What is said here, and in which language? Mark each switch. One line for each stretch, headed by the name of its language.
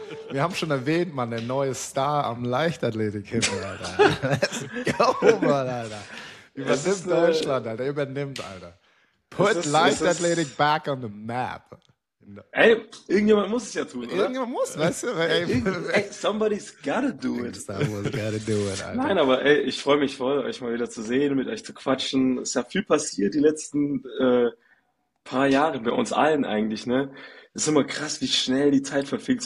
German: Wir haben schon erwähnt, Mann, der neue Star am Leichtathletik-Himmel, Alter.
English: Let's go,
German: Mann, Alter. Übernimmt Deutschland, Alter. Übernimmt, Alter.
English: Put Leichtathletik back on the map.
German: Ey, irgendjemand muss es ja tun, oder? Irgendjemand muss, weißt du?
English: Ey, somebody's gotta do it. Someone's gotta do it, Alter.
German: Nein, aber ey, ich freue mich voll, euch mal wieder zu sehen, mit euch zu quatschen. Es ist ja viel passiert die letzten paar Jahre, bei uns allen eigentlich, ne? Es ist immer krass, wie schnell die Zeit verfliegt.